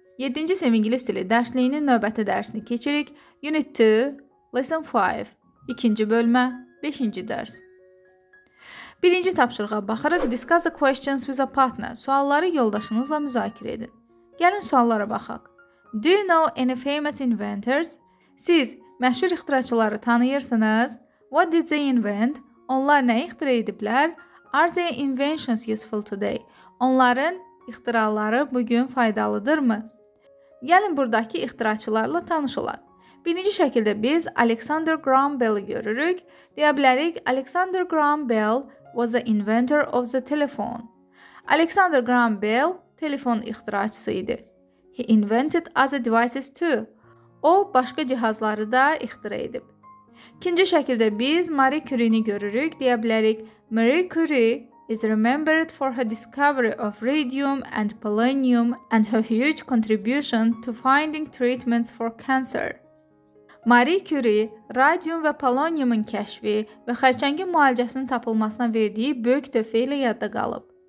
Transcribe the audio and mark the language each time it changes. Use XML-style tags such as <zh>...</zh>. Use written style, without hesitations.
<az>7-ci sinif ingilis dili dərsliyinin növbəti dərsini keçirik.</az> <en>Unit 2, Lesson 5,</en> <az>2-ci bölmə, 5-ci dərs. 1-ci tapşırığa baxırıq.</az> <en>Discuss the questions with a partner.</en> <az>Sualları yoldaşınızla müzakirə edin. Gəlin suallara baxaq.</az> <en>Do you know any famous inventors?</en> <az>Siz məşhur ixtiraçıları tanıyırsınız?</az> <en>What did they invent?</en> <az>Onlar nə ixtira ediblər?</az> <en>Are their inventions useful today?</en> <az>Onların İxtiraları bugün faydalıdır mı? Gəlin buradakı ixtiraçılarla tanış olaq. Birinci şəkildə biz Alexander Graham Bell'i görürük. Deyə bilərik,</az> <en>Alexander Graham Bell was the inventor of the telephone.</en> <az>Alexander Graham Bell telefon ixtiraçısı idi.</az> <en>He invented other devices too.</en> <az>O, başqa cihazları da ixtira edib. İkinci şəkildə biz Marie Curie'ni görürük. Deyə bilərik,</az> <en>Marie Curie is remembered for her discovery of radium and polonium and her huge contribution to finding treatments for cancer.</en> <az>Marie Curie, radium və polonyumun kəşfi və xərçəngin müalicəsinin tapılmasına verdiyi böyük töhfə ilə yadda qalıb.</az>